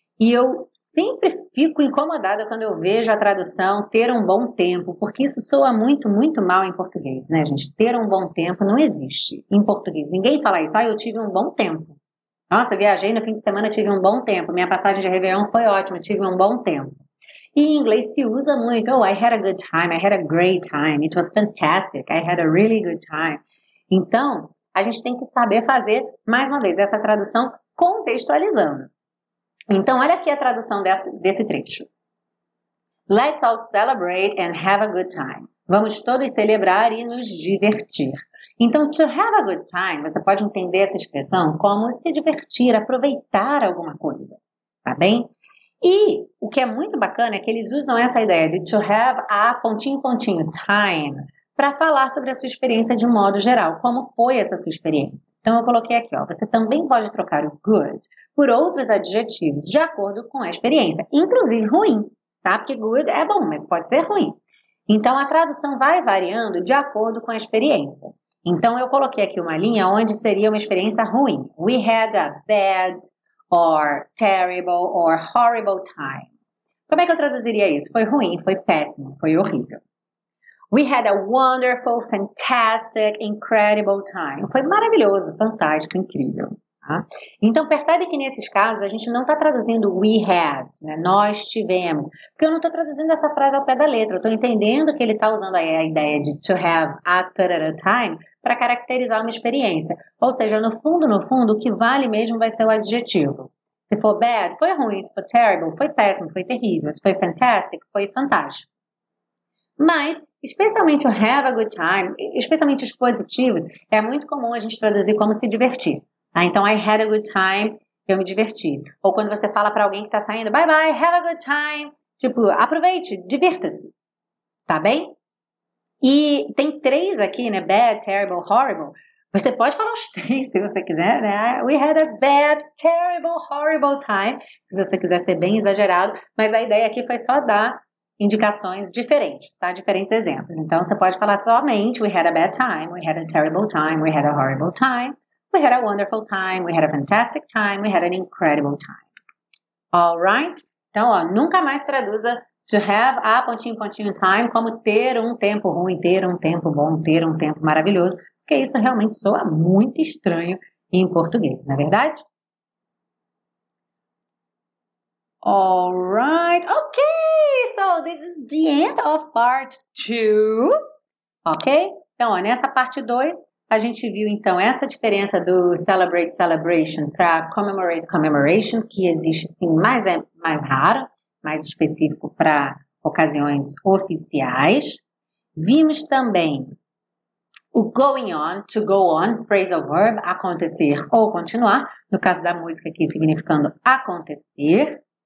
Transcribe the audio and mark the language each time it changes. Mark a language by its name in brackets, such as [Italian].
[Portuguese] E eu sempre fico incomodada quando eu vejo a tradução ter um bom tempo, porque isso soa muito, muito mal em português, né, gente? Ter um bom tempo não existe em português. Ninguém fala isso. Ah, eu tive um bom tempo. Nossa, viajei no fim de semana, tive um bom tempo. Minha passagem de Réveillon foi ótima, tive um bom tempo. E em inglês se usa muito. [English] Oh, I had a good time, I had a great time, it was fantastic, I had a really good time. [Portuguese] Então, a gente tem que saber fazer, mais uma vez, essa tradução contextualizando. Então, olha aqui a tradução desse trecho. [English] Let's all celebrate and have a good time. [Portuguese] Vamos todos celebrar e nos divertir. Então, [English] to have a good time, [Portuguese] você pode entender essa expressão como se divertir, aproveitar alguma coisa, tá bem? E o que é muito bacana é que eles usam essa ideia de to have a pontinho, pontinho, time, para falar sobre a sua experiência de modo geral, como foi essa sua experiência. Então eu coloquei aqui, ó, você também pode trocar o good por outros adjetivos de acordo com a experiência, inclusive ruim, tá? Porque good é bom, mas pode ser ruim. Então a tradução vai variando de acordo com a experiência. Então eu coloquei aqui uma linha onde seria uma experiência ruim. [English] We had a bad or terrible or horrible time. [Portuguese] Como é que eu traduziria isso? Foi ruim, foi péssimo, foi horrível. [English] We had a wonderful, fantastic, incredible time. [Portuguese] Foi maravilhoso, fantástico, incrível. Tá? Então, percebe que nesses casos a gente não está traduzindo we had, né? Nós tivemos. Porque eu não estou traduzindo essa frase ao pé da letra. Eu estou entendendo que ele está usando aí a ideia de to have at a time para caracterizar uma experiência. Ou seja, no fundo, no fundo, o que vale mesmo vai ser o adjetivo. Se for bad, foi ruim. Se for terrible, foi péssimo, foi terrível. Se foi fantastic, foi fantástico. Mas, especialmente o [English] have a good time, [Portuguese] especialmente os positivos, é muito comum a gente traduzir como se divertir. Ah, então, [English] I had a good time, [Portuguese] eu me diverti. Ou quando você fala para alguém que está saindo, [English] bye bye, have a good time. [Portuguese] Tipo, aproveite, divirta-se. Tá bem? E tem três aqui, né? [English] Bad, terrible, horrible. [Portuguese] Você pode falar os três se você quiser, né? [English] We had a bad, terrible, horrible time. [Portuguese] Se você quiser ser bem exagerado. Mas a ideia aqui foi só dar indicações diferentes, tá? Diferentes exemplos. Então, você pode falar somente, [English] we had a bad time, we had a terrible time, we had a horrible time. We had a wonderful time, we had a fantastic time, we had an incredible time. All right? [Portuguese] Então, ó, nunca mais traduza to have a pontinho, pontinho time como ter um tempo ruim, ter um tempo bom, ter um tempo maravilhoso, porque isso realmente soa muito estranho em português, não é verdade? [English] All right? Okay, so this is the end of part 2. Okay? [Portuguese] Então, ó, nessa parte 2, a gente viu, então, essa diferença do celebrate, celebration para commemorate, commemoration, que existe, sim, mas é mais raro, mais específico para ocasiões oficiais. Vimos também o going on, to go on, phrasal verb, acontecer ou continuar, no caso da música aqui significando acontecer.